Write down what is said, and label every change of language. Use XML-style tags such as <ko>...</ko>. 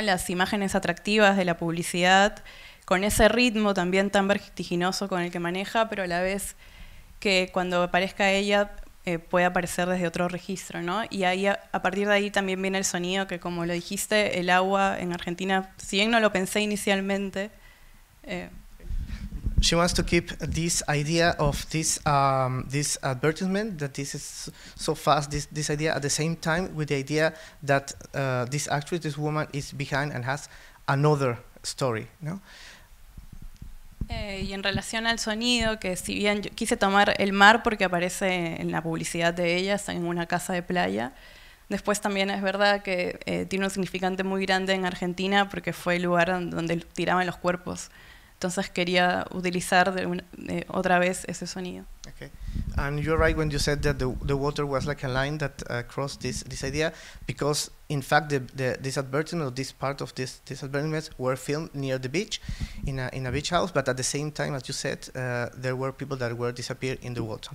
<es>Las imágenes atractivas de la publicidad, con ese ritmo también tan vertiginoso con el que maneja, pero a la vez que cuando aparezca ella puede aparecer desde otro registro, ¿no? Y ahí a partir de ahí también viene el sonido, que como lo dijiste, el agua en Argentina, si bien no lo pensé inicialmente.</es> <en>She wants to keep this idea of this this advertisement that this is so fast, this idea at the same time with the idea that this actress, this woman is behind and has another story, ¿no?</en> <es>Y en relación al sonido, que si bien yo quise tomar el mar porque aparece en la publicidad de ella, está en una casa de playa, después también es verdad que tiene un significante muy grande en Argentina porque fue el lugar donde tiraban los cuerpos. Entonces quería utilizar otra vez ese sonido.</es> <en>Okay. And you're right when you said that the water was like a line that crossed this idea, because in fact this advertisement or this part of this advertisement were filmed near the beach, in a beach house, but at the same time, as you said, there were people that were disappeared in the water.</en>